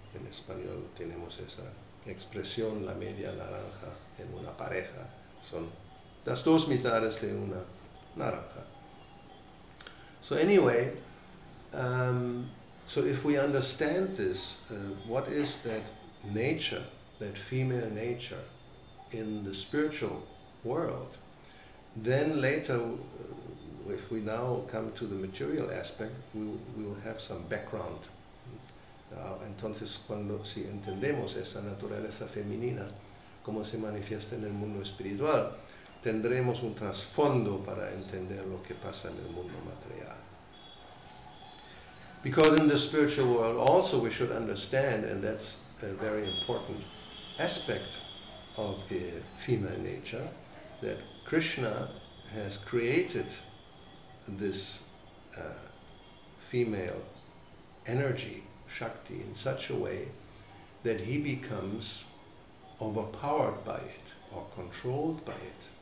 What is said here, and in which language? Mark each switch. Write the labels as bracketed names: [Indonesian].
[Spanish] En español tenemos esa expresión, la media naranja en una pareja. Son las dos mitades de una naranja. [English] So anyway, so if we understand this, what is that nature, that female nature in the spiritual world, then later, if we now come to the material aspect, we will have some background. [Spanish] Entonces, si entendemos esa naturaleza femenina, cómo se manifiesta en el mundo espiritual, tendremos un trasfondo para entender lo que pasa en el mundo material. [English] Because in the spiritual world also we should understand, and that's a very important aspect of the female nature, that Krishna has created this female energy, Shakti, in such a way that he becomes overpowered by it or controlled by it.